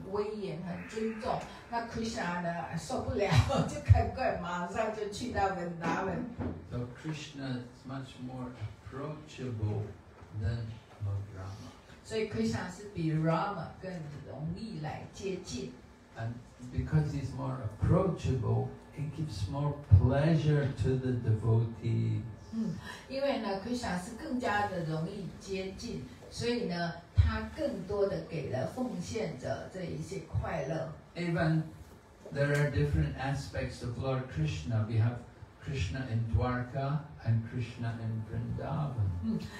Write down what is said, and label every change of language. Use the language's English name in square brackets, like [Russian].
[Chinese] Krishna是Devaki跟Vasudeva的儿子，那这个Devaki跟那个Vasudeva他也是国王哈，那总是一副就是说他们的家境就是皇宫都要很威严很尊重。那Krishna呢受不了，就赶快马上就去到Vrindavan。 [English] So Krishna is much more approachable than Lord Rama. [Chinese] 所以 Krishna 是比 Rama 更容易来接近。 [English] And because he's more approachable, he gives more pleasure to the devotees. [Chinese] 因为呢 Krishna 是更加的容易接近，所以呢，他更多的给了奉献者这一些快乐。 [English] Even there are different aspects of Lord Krishna. We have Krishna in Dwarka and Krishna in Vrindavan.